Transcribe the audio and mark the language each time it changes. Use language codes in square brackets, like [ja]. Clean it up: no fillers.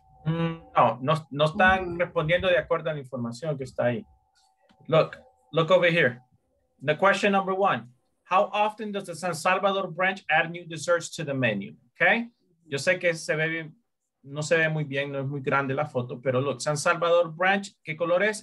[es] No están respondiendo de acuerdo a la información que está ahí. [en] Look over here. The question number one, how often does the San Salvador branch add new desserts to the menu? Okay. [es] Yo sé que se ve bien, no se ve muy bien, no es muy grande la foto, pero [en] look, [es] San Salvador branch, ¿qué color es?